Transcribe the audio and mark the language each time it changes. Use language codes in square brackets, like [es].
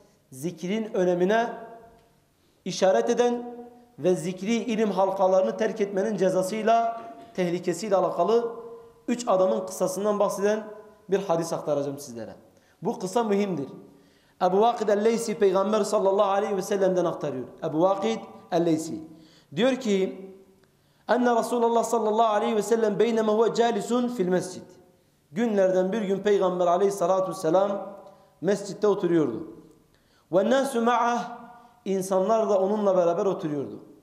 [tr] Zikrin önemine işaret eden ve zikri ilim halkalarını terk etmenin cezasıyla, tehlikesiyle alakalı üç adamın kıssasından bahseden bir hadis aktaracağım sizlere. Bu kıssa mühimdir. Ebu Vakid el-Leysi Peygamber sallallahu aleyhi ve sellem'den aktarıyor. Ebu Vakid el-Leysi diyor ki [ar] أن رسول الله صلى الله عليه وسلم بينما هو جالس في المسجد. [tr] Günlerden bir gün Peygamber Aleyhissalatu vesselam mescitte oturuyordu. [ar] والناس معه, [tr] insanlar da onunla beraber oturuyordu.